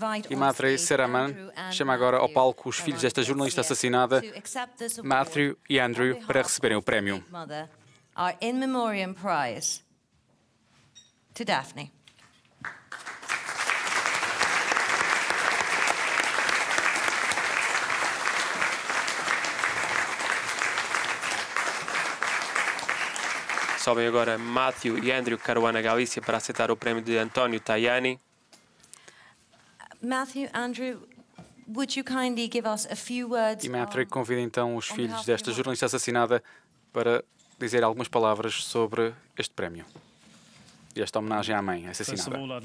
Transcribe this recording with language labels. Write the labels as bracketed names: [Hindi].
[Portuguese] Imadri Seraman chama agora ao palco os filhos desta jornalista assassinada, Matthew e Andrew, para receberem o prémio. [English] Our in memoriam prize to Daphne. [Portuguese] Sobem agora Matthew e Andrew Caruana Galícia para aceitar o prémio de António Tajani. [English] Matthew, Andrew, would you kindly give us a few words? [Portuguese] E Matthew convida então os filhos desta jornalista assassinada para dizer algumas palavras sobre este prémio e esta homenagem à mãe assassinada.